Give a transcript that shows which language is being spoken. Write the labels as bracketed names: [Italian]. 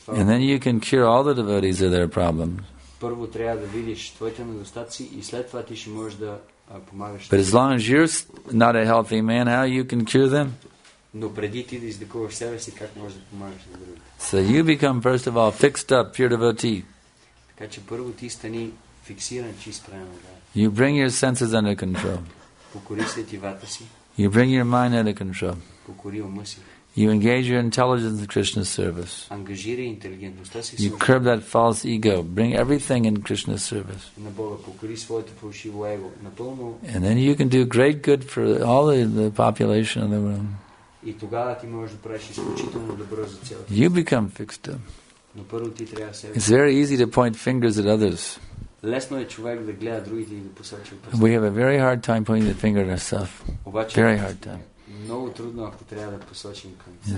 [English] And then you can cure all the devotees of their problems. [Bulgarian] Първо трябва да видиш твоите недостатъци и след това ти ще можеш да помагаш. [English] But as long as you're not a healthy man, how you can cure them? [Bulgarian] Но преди ти да излекуваш себе си, как можеш да помагаш на другите? [English] So you become first of all fixed up pure devotee. [Bulgarian] Така че първо ти стани фиксиран, чист, правилен. [English] You bring your senses under control. [Bulgarian] Покори сетивата си. [English] You bring your mind under control. [Bulgarian] Покори ума си. [English] You engage your intelligence in Krishna's service. [Bulgarian] Ангажирай интелигентността си. [English] You curb that false ego. Bring everything in Krishna's service. [Bulgarian] На Бога, покори своето фалшиво его. Напълно. [English] And then you can do great good for all the population of the world. [Bulgarian] И тогава ти можеш да правиш изключително добро за цялата. [English] You become fixed up. [Bulgarian] Но първо ти трябва да се. [English] It's very easy to point fingers at others. [Bulgarian] Лесно е човек да гледа другите и да посочва пръст. [English] We have a very hard time pointing the finger at ourselves. Very hard time. [Bulgarian] Много трудно, ако трябва да посочим към